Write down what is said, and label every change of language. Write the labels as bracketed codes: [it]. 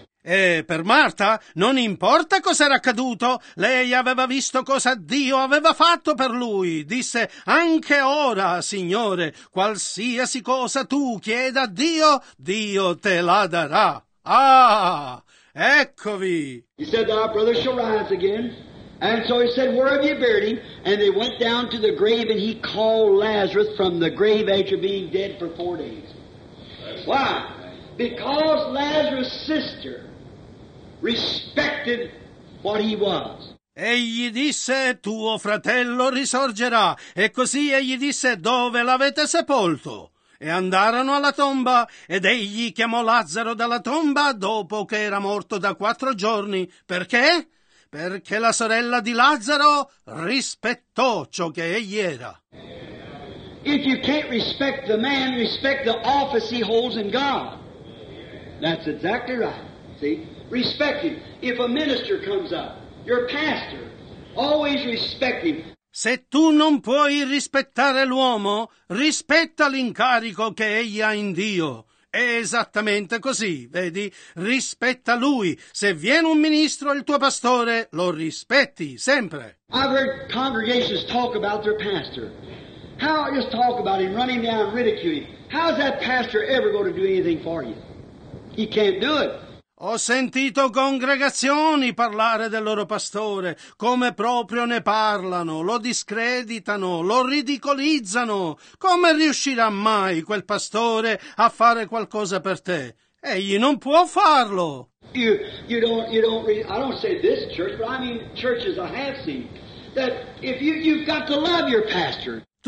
[it] E per Marta, non importa cosa era accaduto, lei aveva visto cosa Dio aveva fatto per lui. Disse, anche ora, Signore, qualsiasi cosa tu chieda a Dio, Dio te la darà. Ah, eccovi! [en] He said, our brother shall rise again. And so he said, where have you buried him? And they went down to the grave, and he called Lazarus from the grave after being dead for 4 days. Why? Because Lazarus' sister respected what he was. [it] Egli disse, tuo fratello risorgerà. E così egli disse, dove l'avete sepolto? E andarono alla tomba, ed egli chiamò Lazzaro dalla tomba dopo che era morto da 4 giorni. Perché? Perché la sorella di Lazzaro rispettò ciò che egli era. [en] If you can't respect the man, respect the office he holds in God. That's exactly right. See? Respect him. If a minister comes up, your pastor, always respect him. [it] Se tu non puoi rispettare l'uomo, rispetta l'incarico che egli ha in Dio. È esattamente così, vedi? Rispetta lui. Se viene un ministro, il tuo pastore, lo rispetti sempre. [en] I've heard congregations talk about their pastor. How, just talk about him, running down, ridiculing. How's that pastor ever going to do anything for you? He can't do it. [it] Ho sentito congregazioni parlare del loro pastore, come proprio ne parlano, lo discreditano, lo ridicolizzano. Come riuscirà mai quel pastore a fare qualcosa per te? Egli non può farlo. [en] I don't say this church, but I mean churches I have seen. That if you've got to love your pastor.